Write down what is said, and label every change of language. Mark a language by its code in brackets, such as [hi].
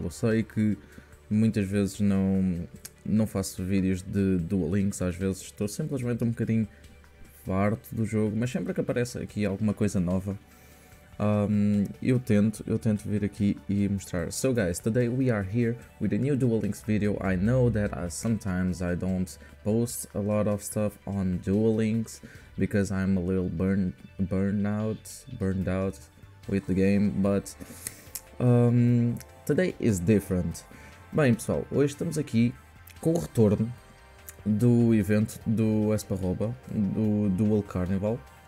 [pt] Eu sei que muitas vezes não faço vídeos de Duolinks, às vezes estou simplesmente um bocadinho farto do jogo, mas sempre que aparece aqui alguma coisa nova, eu tento vir aqui e mostrar. [en] So guys, today we are here with a new Duolinks video. I know that sometimes I don't post a lot of stuff on Duolinks because I'm a little burned out with the game, but today is different. [pt] Bem, pessoal, hoje estamos aqui com o retorno do evento do Esparroba, do Duel Carnival.